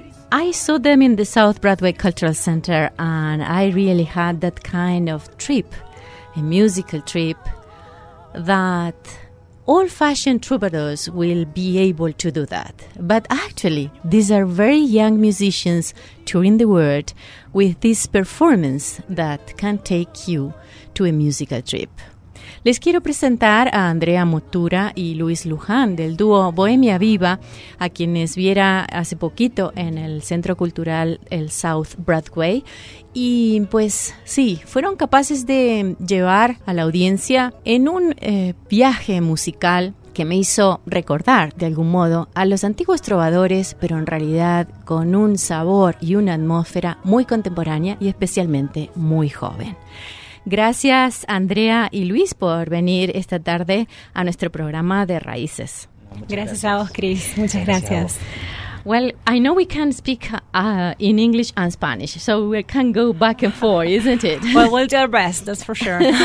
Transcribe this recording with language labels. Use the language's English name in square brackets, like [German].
[English] I saw them in the South Broadway Cultural Center, and I really had that kind of trip, a musical trip, that old-fashioned troubadours will be able to do that. But actually, these are very young musicians touring the world with this performance that can take you to a musical trip. [Spanish] Les quiero presentar a Andrea Motura y Luis Luján del dúo Bohemia Viva, a quienes viera hace poquito en el Centro Cultural El South Broadway. Y pues sí, fueron capaces de llevar a la audiencia en un viaje musical que me hizo recordar de algún modo a los antiguos trovadores, pero en realidad con un sabor y una atmósfera muy contemporánea y especialmente muy joven. Gracias, Andrea y Luis, por venir esta tarde a nuestro programa de Raíces. Gracias. A vos, Chris. Muchas gracias. [English] Well, I know we can speak in English and Spanish, so we can go back and forth, isn't it? Well, we'll do our best, that's for sure.